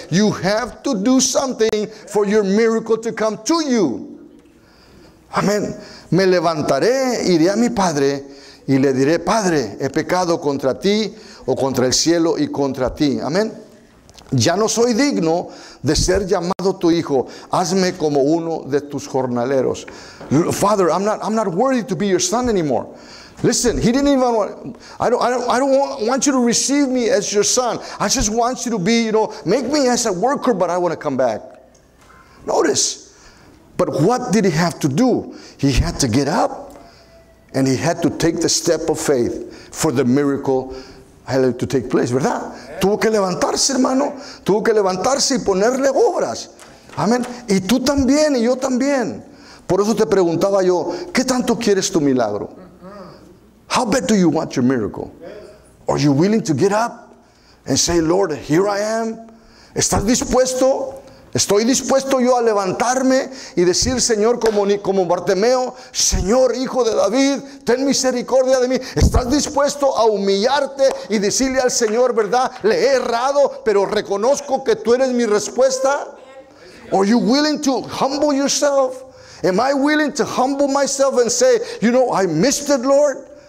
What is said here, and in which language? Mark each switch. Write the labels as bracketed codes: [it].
[en] You have to do something for your miracle to come to you. [es] Amén. Me levantaré, iré a mi padre y le diré, Padre, he pecado contra ti o contra el cielo y contra ti. Amén. Ya no soy digno de ser llamado tu hijo. Hazme como uno de tus jornaleros. [en] Father, I'm not worthy to be your son anymore. Listen, he didn't even want, I don't want you to receive me as your son. I just want you to be, you know, make me as a worker, but I want to come back. Notice. But what did he have to do? He had to get up and he had to take the step of faith for the miracle to take place, [es] ¿verdad? Tuvo que levantarse, hermano. Tuvo que levantarse y ponerle obras. Amén. Y tú también, y yo también. Por eso te preguntaba yo, ¿qué tanto quieres tu milagro? [en] How bad do you want your miracle? Are you willing to get up and say, Lord, here I am? [es] ¿Estás dispuesto? ¿Estoy dispuesto yo a levantarme y decir, Señor, como Bartimeo, Señor, hijo de David, ten misericordia de mí? ¿Estás dispuesto a humillarte y decirle al Señor, verdad, le he errado, pero reconozco que tú eres mi respuesta? [en] Are you willing to humble yourself? Am I willing to humble myself and say, you know, I missed it, Lord?